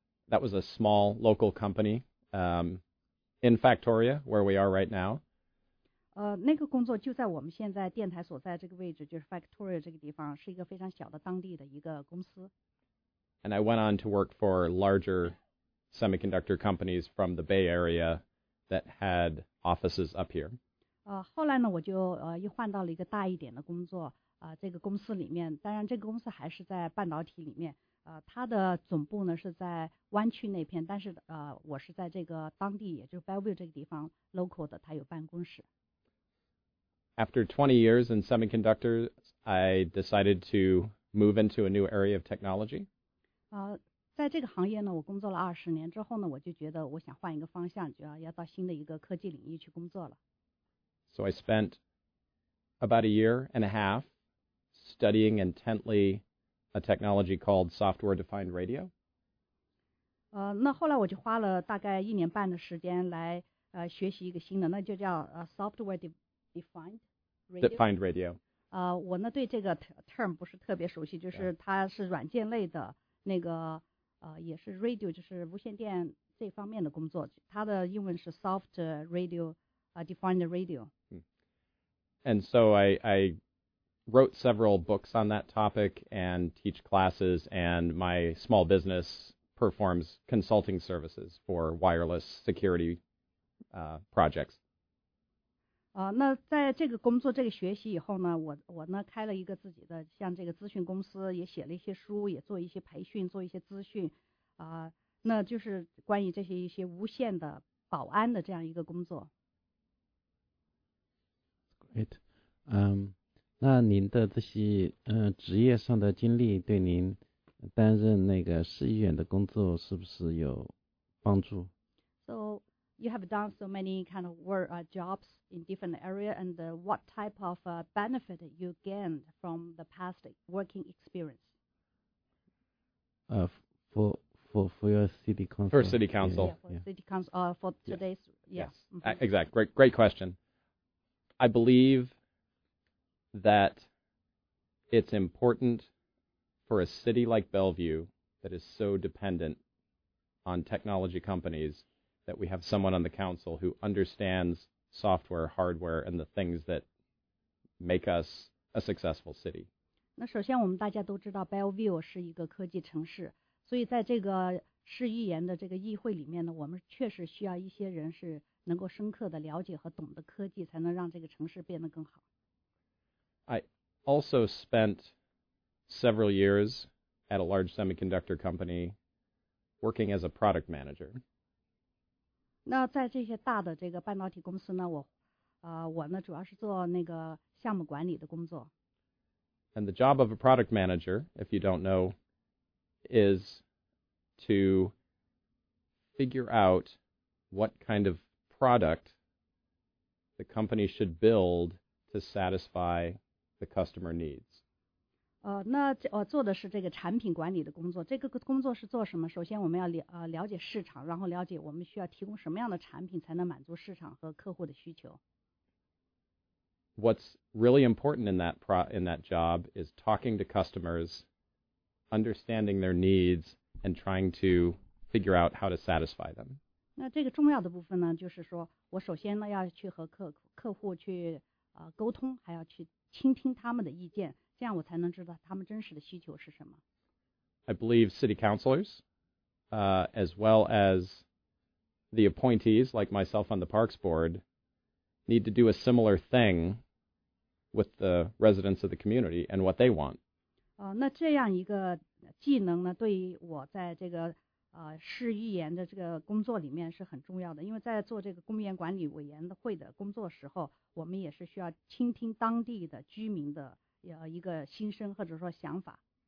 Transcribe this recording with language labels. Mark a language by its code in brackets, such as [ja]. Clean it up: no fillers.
[en] That was a small local company, in Factoria, where we are right now. [zh] 那个工作就在我们现在电台所在这个位置，就是 Factoria 这个地方，是一个非常小的当地的一个公司。 [en] And I went on to work for larger semiconductor companies from the Bay Area that had offices up here. [zh] 后来呢，我就又换到了一个大一点的工作，这个公司里面，当然这个公司还是在半导体里面，它的总部呢是在湾区那片，但是我是在这个当地，也就是 Bellevue 这个地方 local 的，它有办公室。 [en] After 20 years in semiconductors, I decided to move into a new area of technology. [zh] 在这个行业呢，我工作了二十年之后呢，我就觉得我想换一个方向，就要到新的一个科技领域去工作了。 [en] So I spent about a year and a half studying intently a technology called software-defined radio. [zh] 那后来我就花了大概一年半的时间来学习一个新的，那就叫software-defined radio. [en] Defined radio. [zh] 我呢对这个 term 不是特别熟悉，就是它是软件类的那个也是 radio， 就是无线电这方面的工作。它的英文是 soft radio。 [en] Defined radio. And so I wrote several books on that topic and teach classes, and my small business performs consulting services for wireless security projects. [zh] 那在这个工作这个学习以后呢，我呢开了一个自己的像这个咨询公司，也写了一些书，也做一些培训，做一些咨询，那就是关于这些一些无线的保安的这样一个工作。 Right. 那您的这些职业上的经历对您担任那个市议员的工作是不是有帮助 [en] ？So you have done so many kind of work jobs in different area, and what type of benefit you gained from the past working experience? For your city council. For city council. City council. For today's. Yes. Mm-hmm. Exactly. Great question. I believe that it's important for a city like Bellevue that is so dependent on technology companies that we have someone on the council who understands software, hardware, and the things that make us a successful city. [zh] 那首先我们大家都知道 Bellevue 是一个科技城市，所以在这个市议员的这个议会里面呢，我们确实需要一些人是能够深刻的了解和懂得科技，才能让这个城市变得更好。 [en] I also spent several years at a large semiconductor company working as a product manager. [zh] 那在这些大的这个半导体公司呢，我呢主要是做那个项目管理的工作。 [en] And the job of a product manager, if you don't know, is to figure out what kind of product the company should build to satisfy the customer needs. [zh] 那我做的是这个产品管理的工作，这个工作是做什么？首先我们要了解市场，然后了解我们需要提供什么样的产品才能满足市场和客户的需求。 [en] What's really important in that job is talking to customers, understanding their needs, and trying to figure out how to satisfy them. [zh] 那这个重要的部分呢，就是说我首先呢要去和客户去沟通，还要去倾听他们的意见，这样我才能知道他们真实的需求是什么。 [en] I believe city councilors, as well as the appointees like myself on the Parks Board, need to do a similar thing with the residents of the community and what they want. [zh] 那这样一个技能呢，对于我在这个市议员的这个工作里面是很重要的，因为在做这个公园管理委员会的工作时候，我们也是需要倾听当地的居民的一个心声或者说想法。